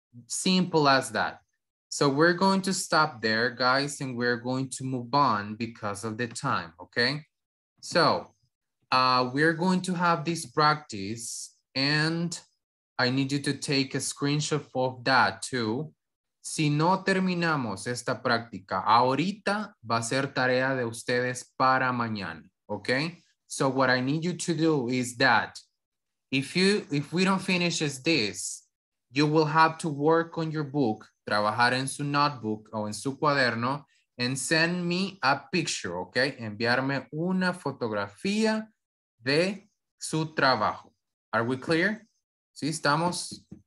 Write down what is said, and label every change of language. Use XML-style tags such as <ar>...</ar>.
<en>Simple as that. So we're going to stop there, guys, and we're going to move on because of the time, okay? So we're going to have this practice, and I need you to take a screenshot of that too.</en> <es>Si no terminamos esta práctica, ahorita va a ser tarea de ustedes para mañana, okay?</es> <en>So what I need you to do is that if we don't finish this, you will have to work on your book,</en> <es>trabajar en su notebook o en su cuaderno,</es> <en>and send me a picture, okay?</en> <es>Enviarme una fotografía de su trabajo.</es> <en>Are we clear?</en> <es>¿Sí estamos?</es>